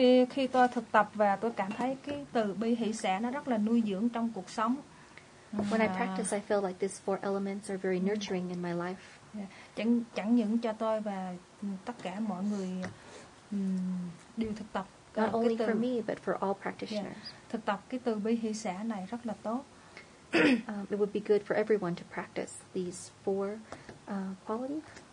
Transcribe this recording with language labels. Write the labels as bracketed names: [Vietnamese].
[Vietnamese] Khi tôi thực tập và tôi cảm thấy cái từ bi hỷ xả nó rất là nuôi dưỡng trong cuộc sống. [English] When I practice, I feel like these 4 elements are very nurturing in my life. [Vietnamese] Chẳng những cho tôi và tất cả mọi người đều thực tập. [English] Not only for me, but for all practitioners. [Vietnamese] Thực tập cái từ bi hỷ xả này rất là tốt. [English] It would be good for everyone to practice these 4 qualities.